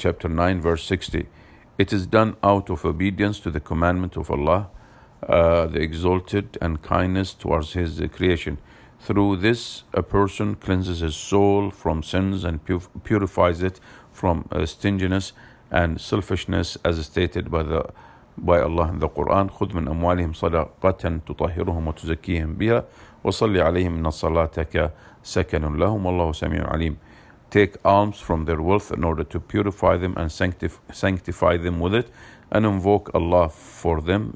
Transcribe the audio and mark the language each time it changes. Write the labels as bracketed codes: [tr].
[en] Chapter 9, verse 60. It is done out of obedience to the commandment of Allah, the Exalted, and kindness towards His creation. Through this, a person cleanses his soul from sins and purifies it from stinginess and selfishness, as stated by Allah in the Quran. [ar] خذ من أموالهم صدقة تطهرهم وتزكيهم بها وصلي عليهم إن صلاتك سكن لهم والله سميع عليم. [en] Take alms from their wealth in order to purify them and sanctify them with it, and invoke Allah for them.